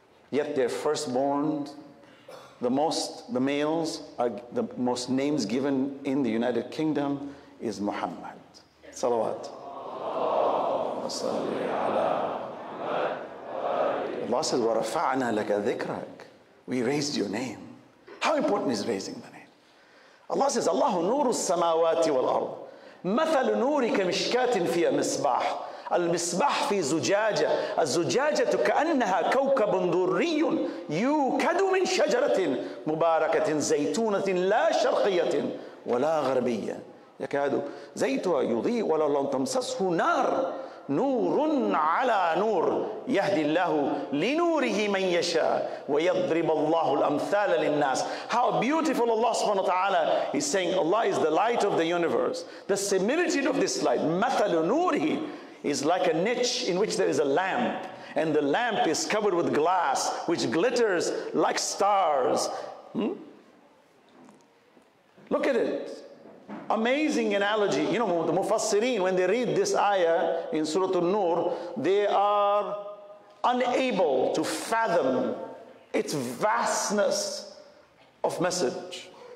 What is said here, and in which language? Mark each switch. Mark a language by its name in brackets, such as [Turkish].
[English] Yet their firstborn, the males are the most names given in the United Kingdom is Muhammad. Salawat. Allah says, [Arabic] وَرَفَعْنَا لَكَ ذِكْرَكَ [English] We raised your name. How important is raising the name? Allah says, [Arabic] Allahu nuru samawati wal ard. مثل نورك مشكاة فيها مصباح المصباح في زجاجة الزجاجة كأنها كوكب دري يوكد من شجرة مباركة زيتونة لا شرقية ولا غربية يكاد زيتها يضيء ولو لم تمسسه نار نور على نور يهدي الله لنوره من يشاء ويضرب الله الأمثال للناس [English] How beautiful Allah subhanahu wa ta'ala is saying Allah is the light of the universe. The similitude of this light, [Arabic] مثل نوره [English] is like a niche in which there is a lamp and the lamp is covered with glass which glitters like stars. Look at it. Amazing analogy. You know, the Mufassireen, when they read this ayah in Surah An-Nur, they are unable to fathom its vastness of message.